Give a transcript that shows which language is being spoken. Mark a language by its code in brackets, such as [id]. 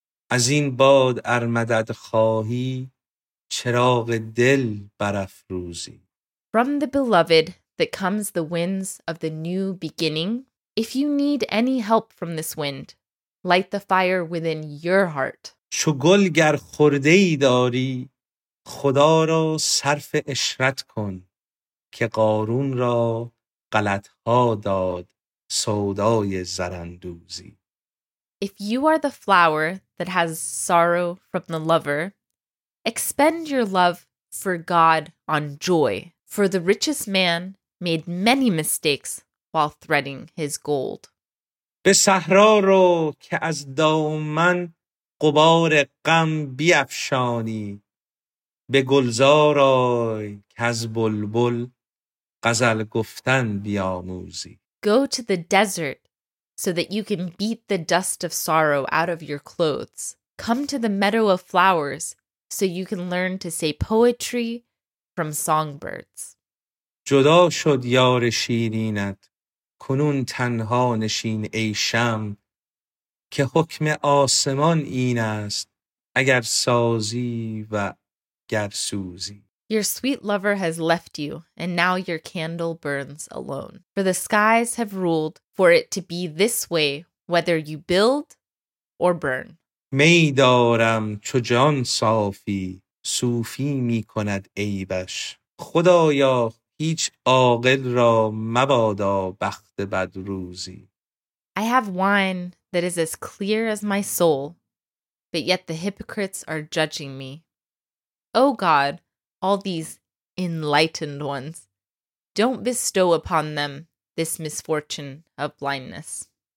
[fa] Az in bad ar madad khahi chiraagh dil barafroozi. [en] From the beloved that comes the winds of the new beginning, if you need any help from this wind, light the fire within your heart. [fa] چو گل گر خرده ای داری خدا را صرف اشرت کن که قارون را غلط ها داد سودای زرندوزی. [en] If you are the flower that has sorrow from the lover, expend your love for God on joy, for the richest man made many mistakes while threading his gold. [fa] به صحرا رو که از دامن قبار غم بیفشانی به گلزار آی که از بلبل غزل گفتن بیاموزی. [en] Go to the desert so that you can beat the dust of sorrow out of your clothes. Come to the meadow of flowers so you can learn to say poetry from songbirds. [fa] جدا شد یار شیرینت کنون تنها نشین ای شمع که حکم آسمان این است اگر سازی و گر سوزی. [en] Your sweet lover has left you, and now your candle burns alone. For the skies have ruled for it to be this way, whether you build or burn. [fa] می دارم چو جان صافی صوفی می کند عیبش خدایا هیچ عاقل را مبادا بخت بد روزی. [en] I have wine that is as clear as my soul, but yet the hypocrites are judging me. O God, all these enlightened ones, don't bestow upon them this misfortune of blindness.